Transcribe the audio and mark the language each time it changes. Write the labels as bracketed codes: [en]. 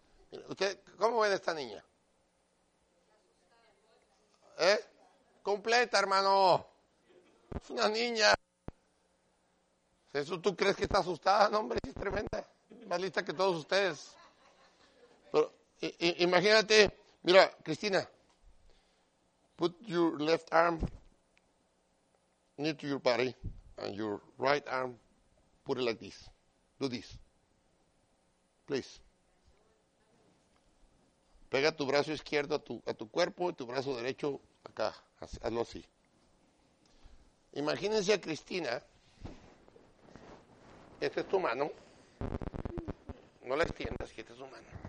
[es] Mira, usted, ¿cómo ven a esta niña? ¿Eh? Completa, hermano. Es una niña. ¿Eso tú crees que está asustada? No, hombre, es tremenda. Más lista que todos ustedes. Pero imagínate, mira, [en] Cristina, put your left arm near to your body and your right arm, put it like this. Do this. Please. [es] Pega tu brazo izquierdo a tu cuerpo y tu brazo derecho acá. Hazlo así. Imagínense a Cristina. Esta es tu mano. No la extiendas, que esta es tu mano.